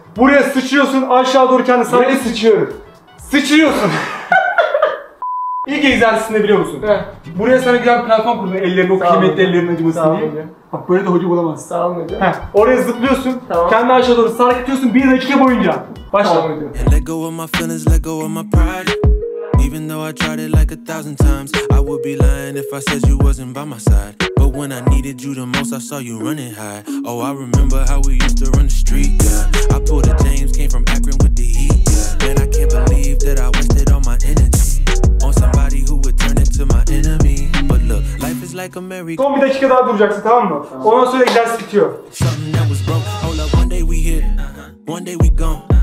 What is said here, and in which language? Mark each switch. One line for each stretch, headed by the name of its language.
Turkish: Buraya sıçıyorsun aşağı doğru kendi sana. Buraya sıçıyorum. Sıçıyorsun. İlk egzersizinde biliyor musun? Heh. Buraya sana güzel bir platform kurdum ellerini, o kıymetli ellerin acımasın diye. Hocam. Bak böyle de hoca bulamazsın. Sağ olun hocam. Heh. Oraya zıplıyorsun, tamam. Kendi aşağı doğru sarak atıyorsun bir dakika boyunca. Başla.
English: Lego of my feelings, Lego of my pride. Even though I tried it like a thousand times, I would be lying if I said you wasn't by my side. But when I needed you the most, I saw you running high. Oh, I remember how we used to run the street, yeah. I pulled a James, came from Akron with the heat, yeah. Man, I can't believe that I wasted all my energy on somebody who would turn into my enemy. But look, life is like a merry.
Turkish: Son bir dakika daha duracaksın, tamam mı? Ondan sonra ders bitiyor.
English: Something that was broke, hold up, one day we hit, one day we gone.